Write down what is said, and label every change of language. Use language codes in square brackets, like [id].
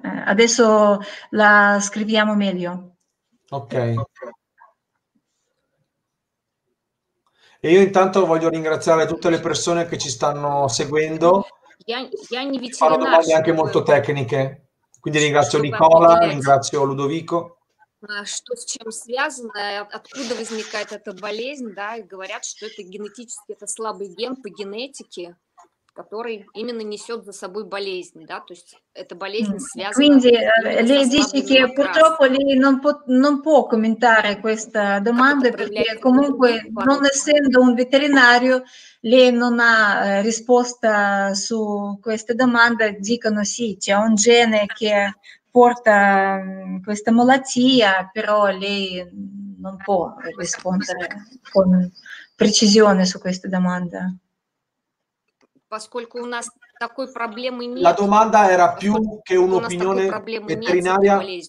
[it] Adesso la scriviamo meglio. Ok. E io intanto voglio ringraziare tutte le persone che ci stanno seguendo. Fanno domande anche molto tecniche. Quindi ringrazio Nicola, ringrazio Ludovico. [ru] Что с чем связано, откуда возникает эта болезнь, да, и говорят, что это генетически, это слабый ген по генетике, который именно несет за собой болезнь, да, то есть эта болезнь связана... [it] Quindi, lei dice che purtroppo lei non può commentare questa domanda, perché comunque, non essendo un veterinario, lei non ha risposta su questa domanda, dicono sì, c'è un gene che... porta questa malattia, però lei non può rispondere con precisione su questa domanda. [ru] Поскольку у нас такой проблемы нет. [it] La domanda era più che un'opinione veterinaria.